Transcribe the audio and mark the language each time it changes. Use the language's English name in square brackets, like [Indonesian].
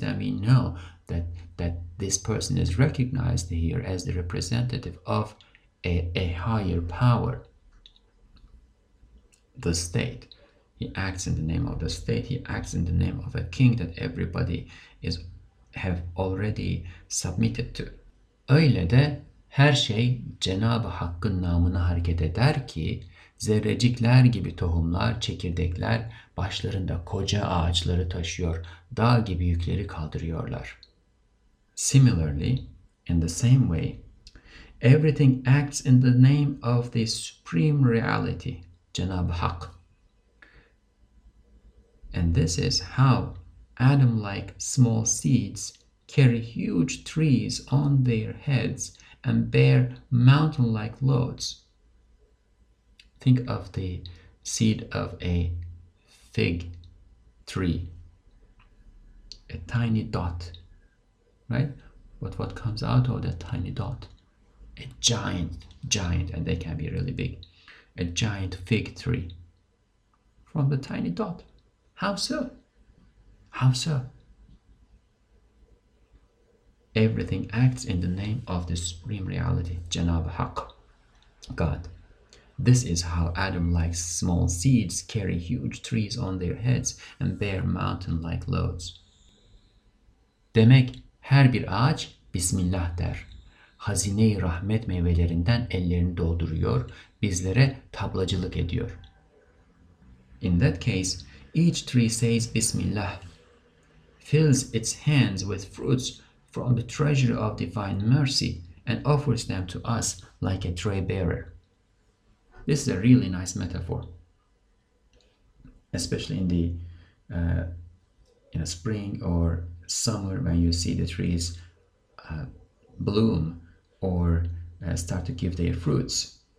[English] Then we know that this person is recognized here as the representative of a higher power, the state. He acts in the name of the state, he acts in the name of a king that everybody is have already submitted to. [Turkish] Öyle de her şey Cenab-ı Hakk'ın namına hareket eder ki zerrecikler gibi tohumlar, çekirdekler başlarında koca ağaçları taşıyor, dağ gibi yükleri kaldırıyorlar. [English] Similarly, in the same way, everything acts in the name of the supreme reality, Cenab-ı Hak. And this is how Adam-like small seeds carry huge trees on their heads and bear mountain-like loads. Think of the seed of a fig tree, a tiny dot, right? But what comes out of that tiny dot? A giant, and they can be really big, a giant fig tree from the tiny dot. How so? Everything acts in the name of the supreme reality, Cenab-ı Hak, God. This is how Adam-like small seeds carry huge trees on their heads and bear mountain-like loads. [Turkish] Demek her bir ağaç Bismillah der. Hazine-i rahmet meyvelerinden ellerini dolduruyor, bizlere tablacılık ediyor. [English] In that case, each tree says Bismillah, fills its hands with fruits from the treasury of divine mercy and offers them to us like a tray bearer. This is a really nice metaphor, especially in the spring or summer when you see the trees bloom or start to give their fruits.